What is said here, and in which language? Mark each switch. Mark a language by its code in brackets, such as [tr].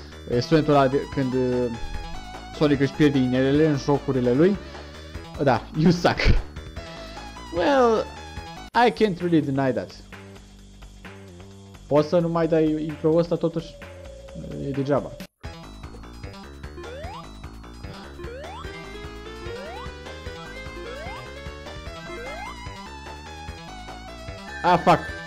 [ro] E sunetul ăla de când Sonic își pierde inelele în jocurile lui. [en] Da, you suck. Well, I can't really deny that. [ro] Poți să nu mai dai intro-ul ăsta, totuși e degeaba. [en] Ah, fuck.